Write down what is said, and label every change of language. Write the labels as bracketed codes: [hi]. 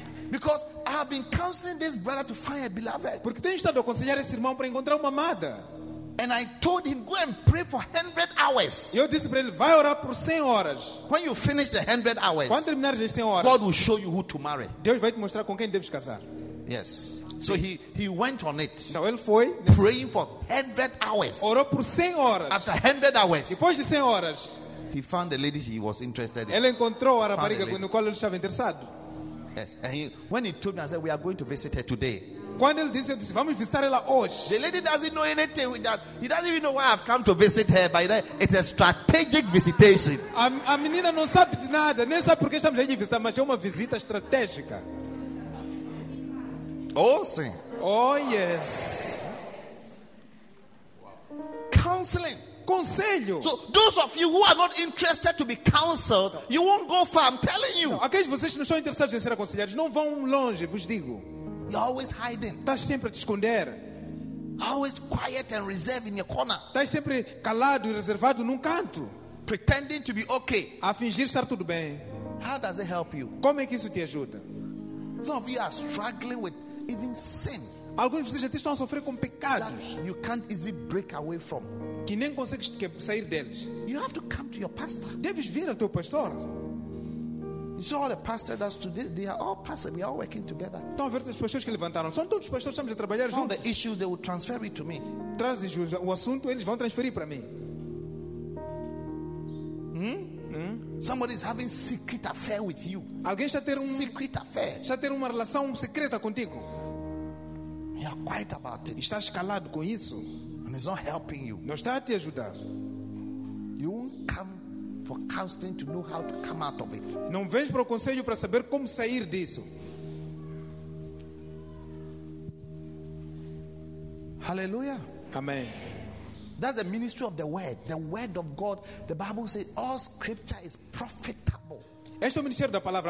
[en] Because I have been counseling this brother to find a beloved. [pt] Porque tenho estado a aconselhar esse irmão para encontrar uma amada. [en] And I told him, "Go and pray for 100 hours. [pt] Eu disse para ele, vai orar por 100 horas. [en] When you finish the 100 hours, [pt] quando terminares as 100 horas, [en] God will show you who to marry. [pt] Deus vai te mostrar com quem deves casar. [en] Yes. So he went on it. [pt] Então ele foi [en] praying for 100 hours. [pt] Orou por 100 horas. [en] After 100 hours. [pt] Depois de 100 horas. [en] He found the lady he was interested in. [pt] Ele encontrou a rapariga no qual ele estava interessado. [en] Yes, and when he told me, I said, "We are going to visit her today." [pt] Quando ele disse, "Vamos visitar ela hoje." [en] The lady doesn't know anything with that. He doesn't even know why I've come to visit her. By that, it's a strategic visitation. [pt] A menina não sabe de nada, nem sabe por que estamos aqui visitar, mas é uma visita estratégica. Oh, sim. [en] Oh, yes. Counseling. [pt] Conselho. [en] So those of you who are not interested to be counseled, you won't go far. I'm telling you. [pt] Aqueles vocês que não são interessados em ser aconselhados, não vão longe. Vos digo. [en] You're always hiding. [pt] Estás sempre a te esconder. [en] Always quiet and reserved in your corner. [pt] Estás sempre calado e reservado num canto. [en] Pretending to be okay. [pt] A fingir estar tudo bem. [en] How does it help you? [pt] Como é que isso te ajuda? [en] Some of you are struggling with even sin. [pt] Alguns de vocês até estão a sofrer com pecados. [en] That you can't easily break away from. [pt] Que nem consegues sair deles. [en] You have to come to your pastor. [pt] Deves vir ao teu pastor. [en] You see all the pastors that today, they are all pastors. We are all working together. [pt] Estão a ver os pastores que levantaram? São todos os pastores que estamos a trabalhar juntos. [en] Some of the issues they will transfer it to me. [pt] Trazes o assunto, eles vão transferir para mim. [en] Somebody is having secret affair with you. [pt] Alguém está a ter um [en] secret affair. [pt] Está a ter uma relação secreta contigo. [en] You are quiet about it. [pt] Estás calado com isso. [en] And it's not helping you. [pt] Não está a te ajudar. [en] You won't come for counseling to know how to come out of it. [pt] Não vens para o conselho para saber como sair disso. [en] Hallelujah. [pt] Amen. [en] That's the ministry of the word. The word of God. The Bible says all scripture is profitable. [pt] Este é o ministério da palavra.